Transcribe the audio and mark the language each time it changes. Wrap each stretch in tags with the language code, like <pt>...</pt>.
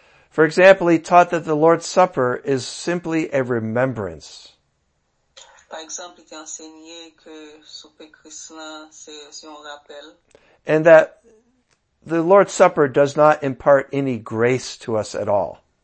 <en>For example, he taught that the Lord's Supper is simply a remembrance.</en> <fr>Par exemple, il était enseigné que souper chrétien, c'est un rappel.</fr> <en>And that the Lord's Supper does not impart any grace to us at all.</en>